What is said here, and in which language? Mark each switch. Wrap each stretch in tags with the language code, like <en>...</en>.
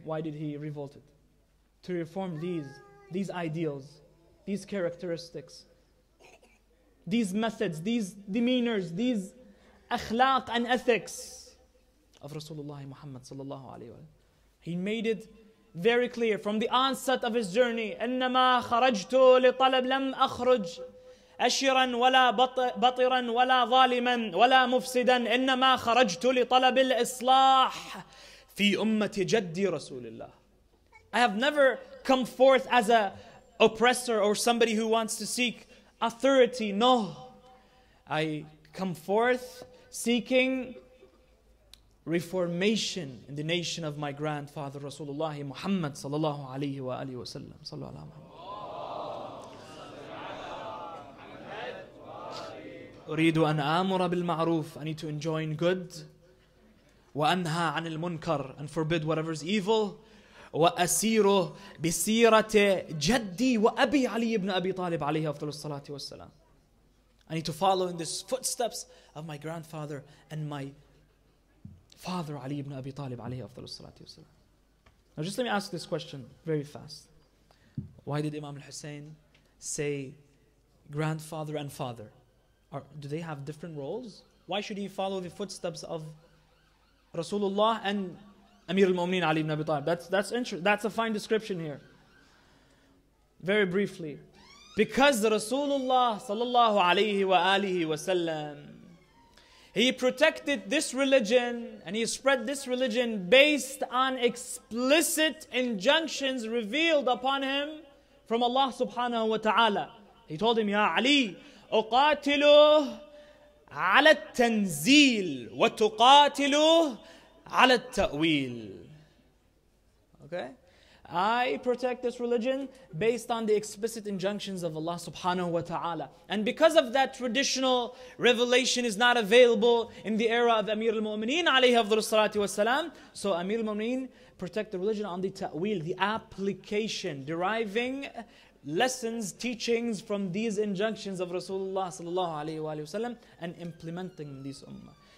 <en>Why did he revolt it? To reform these ideals, these characteristics, these methods, these demeanors, these akhlaq and ethics of Rasulullah Muhammad sallallahu alayhi wa sallam. He made it very clear from the onset of his journey.</en> <ar>إِنَّمَا خَرَجْتُ لِطَلَبْ لَمْ أَخْرُجْ أَشِرًا وَلَا بَطِرًا وَلَا ظَالِمًا وَلَا مُفْسِدًا إِنَّمَا خَرَجْتُ لِطَلَبِ الْإِصْلَاحِ فِي أُمَّةِ جَدِّي رَسُولِ اللَّهِ.</ar> <en>I have never come forth as a oppressor or somebody who wants to seek authority. No, I come forth seeking reformation in the nation of my grandfather Rasulullah Muhammad sallallahu alayhi wa alayhi wa sallam. Sallallahu alayhi wa sallam.</en> <ar>أريد أن آمر بالمعروف.</ar> <en>I need to enjoin good.</en> <ar>وأنهى عن المنكر.</ar> <en>And forbid whatever is evil.</en> <ar>وأسير بسيرة جدي وأبي علي بن أبي طالب عليه أفضل الصلاة والسلام.</ar> <en>I need to follow in the footsteps of my grandfather and my father Ali ibn Abi Talib alayhi afdal as-salatu was-salam. Now just let me ask this question very fast. Why did Imam al-Hussein say grandfather and father? Do they have different roles? Why should he follow the footsteps of Rasulullah and Amir al-Mu'mineen Ali ibn Abi Talib? That's a fine description here. Very briefly. Because Rasulullah sallallahu alayhi wa alihi wa sallam, He protected this religion and he spread this religion based on explicit injunctions revealed upon him from Allah subhanahu wa ta'ala. He told him, Ya Ali,</en> <ar>أقاتله على التنزيل وتقاتله على التأويل.</ar> <en>Okay? I protect this religion based on the explicit injunctions of Allah subhanahu wa ta'ala. And because of that, traditional revelation is not available in the era of Amir al-Mu'mineen alayhi afdhalus salati wa salam. So Amir al-Mu'mineen protect the religion on the ta'wil, the application, deriving lessons, teachings from these injunctions of Rasulullah sallallahu alayhi wa sallam and implementing this ummah.</en>